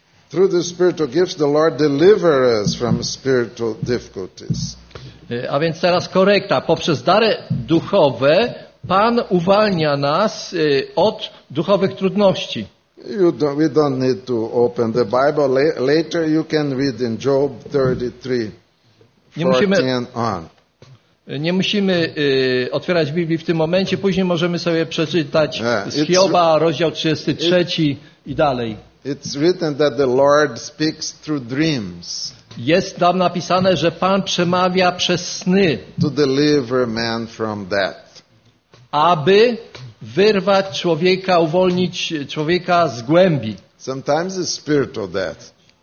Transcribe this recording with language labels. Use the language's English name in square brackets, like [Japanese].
[English] Through the spiritual gifts, the Lord delivers us from spiritual difficulties. [Polish] A więc teraz korekta. Poprzez dary duchowe Pan uwalnia nas od duchowych trudności. [English] We don't need to open the Bible. Later you can read in Job 33:14. [Polish] Nie musimy otwierać Biblii w tym momencie. Później możemy sobie przeczytać z Hioba, rozdział 33 i dalej. [English] It's written that the Lord speaks through dreams. [Polish] Jest tam napisane, że Pan przemawia przez sny. [English] To deliver man from death. [Polish] Aby wyrwać człowieka, uwolnić człowieka z głębi. [English] Sometimes it's spiritual death.